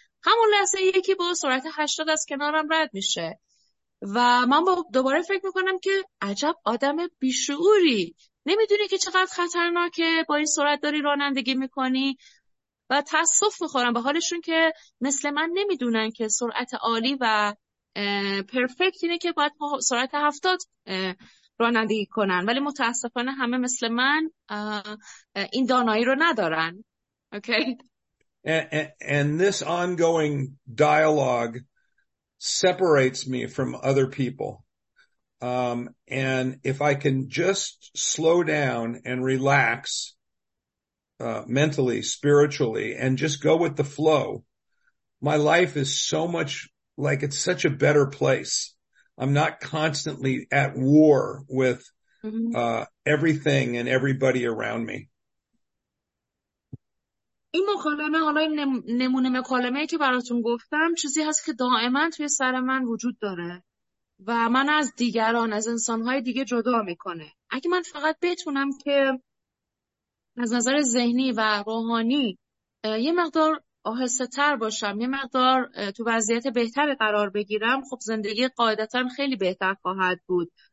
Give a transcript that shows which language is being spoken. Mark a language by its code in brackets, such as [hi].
[fa] همون لحظه یکی با سرعت 80 از کنارم رد میشه و من با دوباره فکر میکنم که عجب آدم بیشعوری، نمیدونی که چقدر خطرناکه با این سرعت داری رانندگی میکنی و تأسف میخورم به حالشون که مثل من نمیدونن که سرعت عالی و پرفکت اینه که باید سرعت 70 رانندگی کنن، ولی متاسفانه همه مثل من این دانایی رو ندارن. [en] Okay. And this ongoing dialogue separates me from other people. And if I can just slow down and relax mentally, spiritually, and just go with the flow, my life is so much like it's such a better place. I'm not constantly at war with everything and everybody around me. [fa] این مکالمه، حالا این نمونه مکالمه که براتون گفتم، چیزی هست که دائما توی سر من وجود داره و من از دیگران، از انسانهای دیگه جدا میکنه. اگه من فقط بتونم که از نظر ذهنی و روحانی یه مقدار آهسته تر باشم، یه مقدار تو وضعیت بهتر قرار بگیرم، خب زندگی قاعدتا خیلی بهتر خواهد بود.